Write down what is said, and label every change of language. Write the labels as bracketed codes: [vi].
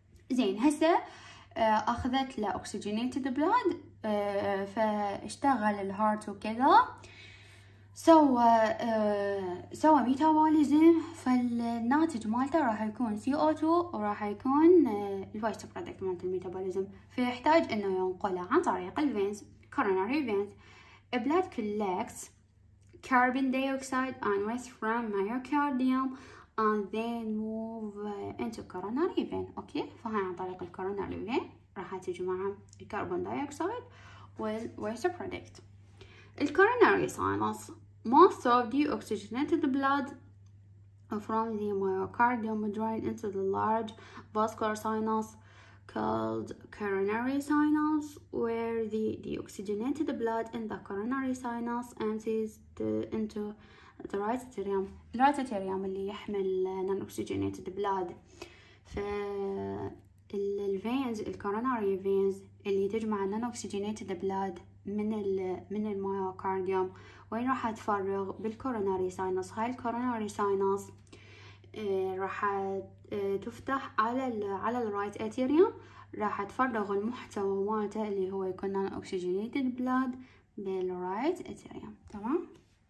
[ar] زين، هسه اخذت ل oxygenated blood، فاشتغل الهارت وكذا، سوى ميتابوليزم، فالناتج مالته راح يكون CO2 وراح يكون الويست برودكت مالت الميتابوليزم، فيحتاج انه ينقله عن طريق الفينز، coronary veins. [en] A blood collects carbon dioxide and waste from myocardium and then move into coronary vein. [ar] اوكي، فهي عن طريق الكورونري فين راح تجمع الكربون دايوكسيد والويست برودكت. الكورونري ساينس، [en] most of the oxygenated blood from the myocardium drain into the large vascular sinus. called coronary sinus, where the deoxygenated blood in the coronary sinus enters into the right atrium. The right atrium [ar] اللي يحمل [en] non-oxygenated blood. [ar] فالveins, [en] the coronary veins [ar] اللي تجمع [en] non-oxygenated blood [ar] من المايوكارديوم وين راح تفرغ بالكورناري ساينس. هاي الكورناري ساينس راح تفتح على الرايت اتيريوم, راح تفرغ المحتوى مالته اللي هو يكون اوكسجينيتد بلاد بالرايت اتيريوم. تمام.